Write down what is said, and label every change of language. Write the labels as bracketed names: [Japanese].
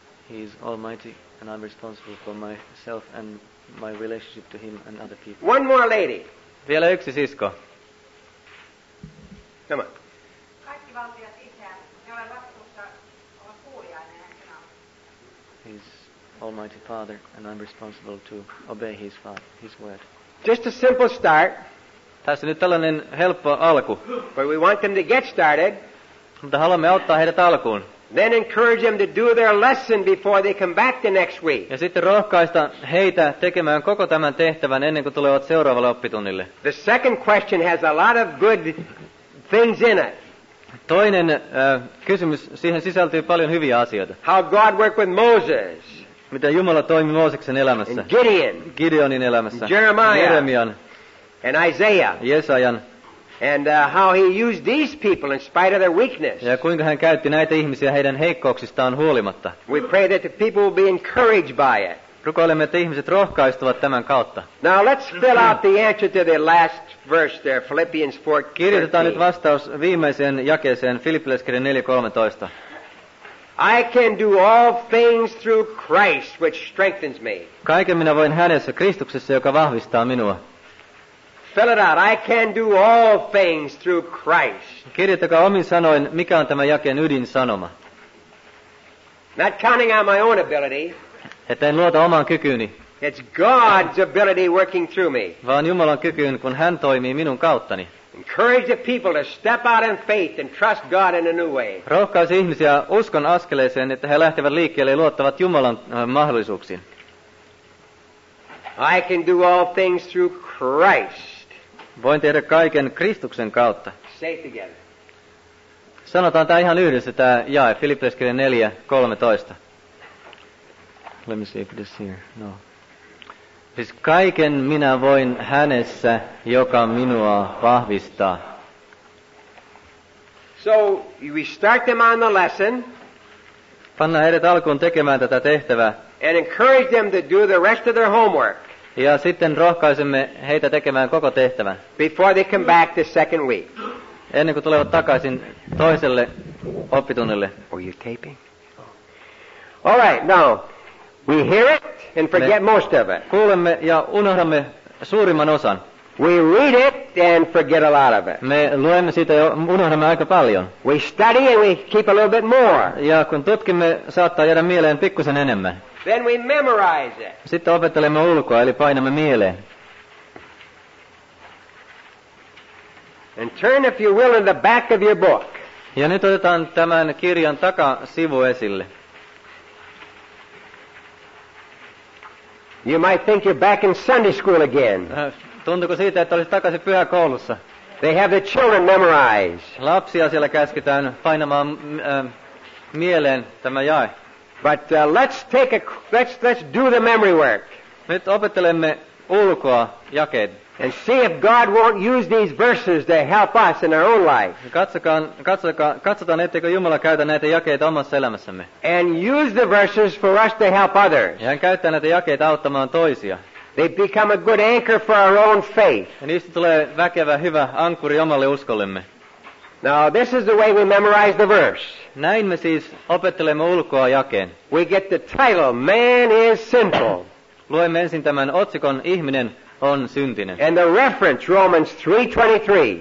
[English] He is almighty, and I'm responsible for myself and my relationship to him and other people. One more lady. [Finnish] Vielä yksi sisko. [English] Come on. [Finnish] Kaikki valtiat itseään, ne olen vastuussa, olen kuulijainen. [English] He is almighty father, and I'm responsible to obey his father, his word. Just a simple start. [Finnish] Tässä nyt tällainen helppo alku. [English] But we want them to get started. [Finnish] Mutta haluamme auttaa heidät alkuun. [English] Then encourage them to do their lesson before they come back the next week. [Finnish] Ja sitten rohkaista heitä tekemään koko tämän tehtävän ennen kuin tulevat seuraavalle oppitunnille. [English] The second question has a lot of good things in it. [Finnish] Toinen kysymys, siihen sisältyy paljon hyviä asioita. [English] How God worked with Moses. [Finnish] Miten Jumala toimi Mooseksen elämässä. [English] And Gideon. [Finnish] Gideonin elämässä. [English] And Jeremiah. [Finnish] Jeremian. [English] And Isaiah. [Finnish] Jesajan. [English] And how he used these people in spite of their weakness. [Finnish] Ja kuinka hän käytti näitä ihmisiä heidän heikkouksistaan huolimatta. [English] We pray that the people will be encouraged by it. [Finnish] Rukoilemme, että ihmiset rohkaistuvat tämän kautta. [English] Now let's fill out the answer to the last verse there, Philippians 4:13. [Finnish] Kirjoitetaan nyt vastaus viimeiseen jakeeseen, Filippiläiskirjan 4:13. [English] I can do all things through Christ, which strengthens me. [Finnish] Kaiken minä voin hänessä, Kristuksessa, joka vahvistaa minua. [English] Fill it out. I can do all things through Christ. [Finnish] Kirjoittakaa omin sanoin, mikä on tämä jakeen ydin sanoma. [English] Not counting on my own ability. [Finnish] Että en luota omaan kykyyni. [English] It's God's ability working through me. [Finnish] Vaan Jumalan kykyyn, kun hän toimii minun kauttani. [English] Encourage the people to step out in faith and trust God in a new way. [Finnish] Rohkaise ihmisiä uskon askeleeseen, että he lähtevät liikkeelle ja luottavat Jumalan mahdollisuuksiin. [English] I can do all things through Christ. [Finnish] Voin tehdä kaiken Kristuksen kautta. [English] Say it together. [Finnish] Sanotaan tämä ihan yhdessä, tämä jae, Filippiläiskirjan 4:13. [English] Let me see if it is here. No. [Finnish] Siis kaiken minä voin hänessä, joka minua vahvistaa. [English] So, we start them on the lesson. [Finnish] Pannaan heidät alkuun tekemään tätä tehtävää. [English] And encourage them to do the rest of their homework. [Finnish] Ja sitten rohkaisemme heitä tekemään koko tehtävän. [English] Before they come back the second week. [Finnish] Ennen kuin tulevat takaisin toiselle oppitunnille. [English] Are you taping? All right, now we hear it and forget most of it. [Finnish] Kuulemme ja unohdamme suurimman osan. [English] We read it and forget a lot of it. [Finnish] Me luemme siitä ja unohdamme aika paljon. [English] We study and we keep a little bit more. [Finnish] Ja kun tutkimme, saattaa jäädä mieleen pikkusen enemmän. [English] Then we memorize it. [Finnish] Sitten opettelemme ulkoa, eli painamme mieleen. [English] And turn, if you will, in the back of your book. [Finnish] Ja nyt otetaan tämän kirjan takasivu esille. [English] You might think you're back in Sunday school again. [Finnish] Tuntuuko siitä, että olisi takaisin pyhäkoulussa? [English] They have the children memorize. [Finnish] Lapsia siellä käsketään painamaan mieleen tämä jae. [English] But let's do the memory work. [Finnish] Nyt opettelemme ulkoa jakeet. [English] And see if God won't use these verses to help us in our own life. [Finnish] Katsotaan, etteikö Jumala käytä näitä jakeita omassa elämässämme. [English] And use the verses for us to help others. [Finnish] Ja hän käyttää näitä jakeita auttamaan toisia. [English] They become a good anchor for our own faith. [Finnish] Ja niistä tulee väkevä hyvä ankkuri omalle uskollemme. [English] Now this is the way we memorize the verse. [Finnish] Näin me siis opettelemme ulkoa jakeen. [English] We get the title, man is sinful. [Finnish] Luemme ensin tämän otsikon, ihminen on syntinen. [English] And the reference, Romans 3:23.